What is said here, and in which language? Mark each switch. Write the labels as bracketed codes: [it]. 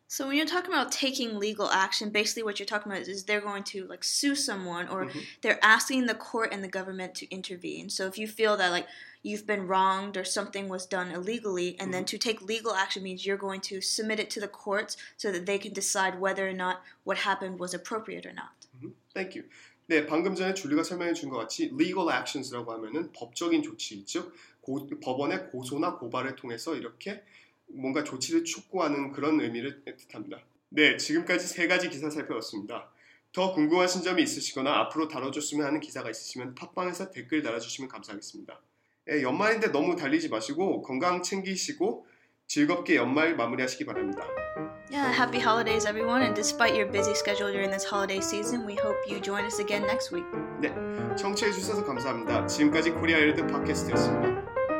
[en] So when you're talking about taking legal action, basically what you're talking about is they're going to like sue someone or mm-hmm. they're asking the court and the government to intervene. So if you feel that like you've been wronged or something was done illegally, and mm-hmm. then to take legal action means you're going to submit it to the courts so that they can decide whether or not what happened was appropriate or not. Mm-hmm. Thank you. [ko] 네, 방금 전에 줄리가 설명해 준 것 같이 legal actions라고 하면은 법적인 조치, 즉 법원의 고소나 고발을 통해서 이렇게 뭔가 조치를 촉구하는 그런 의미를 뜻합니다. 네, 지금까지 세 가지 기사 살펴봤습니다. 더 궁금하신 점이 있으시거나 앞으로 다뤄줬으면 하는 기사가 있으시면 팟빵에서 댓글 달아주시면 감사하겠습니다. 네, 연말인데 너무 달리지 마시고 건강 챙기시고 즐겁게 연말 마무리하시기 바랍니다. [en] Yeah, happy holidays everyone. And despite your busy schedule during this holiday season, we hope you join us again next week. [ko] 네, 청취해 주셔서 감사합니다. 지금까지 코리아 일드 팟캐스트였습니다.